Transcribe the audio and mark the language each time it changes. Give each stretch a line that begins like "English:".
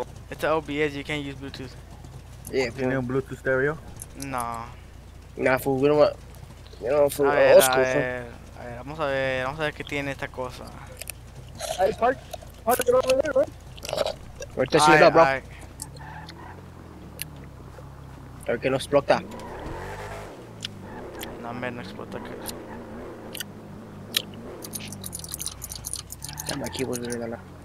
English: It's an OBS, you can't use Bluetooth. Yeah, fool. You need a Bluetooth stereo? Nah. Nah, fool, we don't want, you know, fool, old school, fool.
Spanish: A ver, vamos a ver qué tiene esta cosa.
English: Hey, park it over there, right?
Spanish: Ahorita sí, no, bro. A ver que no explota. No, hombre, no explota.
English: Damn, my keyboard's really gonna...